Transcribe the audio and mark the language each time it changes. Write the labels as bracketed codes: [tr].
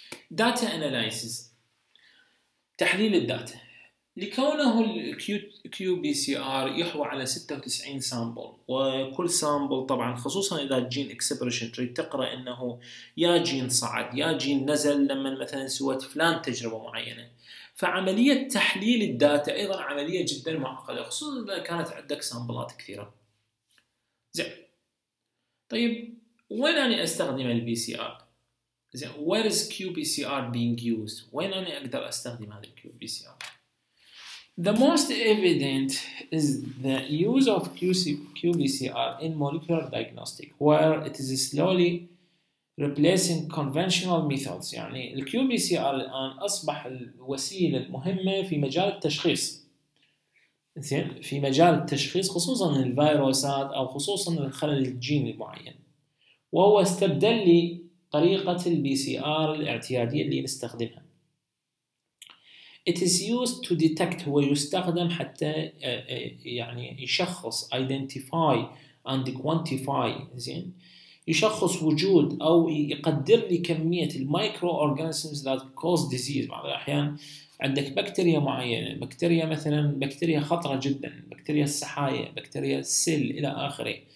[ar] داتا اناليسيس، تحليل الداتا، لكونه الكيو بي سي ار يحوى على 96 سامبل، وكل سامبل طبعا خصوصا اذا الجين اكسبريشن تريد تقرا انه يا جين صعد يا جين نزل لما مثلا سوت فلان تجربه معينه، فعمليه تحليل الداتا ايضا عمليه جدا معقده، خصوصا اذا كانت عندك سامبلات كثيره. زين طيب وين انا استخدم البي سي ار؟ زين [en] where is qPCR being used؟ [ar] وين أنا أقدر أستخدم هذا الـ qPCR؟ [en] The most evident is the use of qPCR in molecular diagnostic, where it is slowly replacing conventional methods. [ar] يعني ال qPCR الآن أصبح الوسيلة المهمة في مجال التشخيص. زين، في مجال التشخيص خصوصاً الفيروسات أو خصوصاً الخلل الجيني المعين. وهو استبدل لي طريقة ال PCR الاعتيادية اللي نستخدمها. [en] It is used to detect, [ar] هو يستخدم حتى يعني يشخص [en] identify and quantify. [ar] زين، يشخص وجود أو يقدر لي كمية المايكرو أورجانيزمز [en] that cause disease. [ar] بعض الأحيان عندك بكتيريا معينة، بكتيريا مثلا بكتيريا خطرة جدا، بكتيريا السحايا، بكتيريا السل إلى آخره.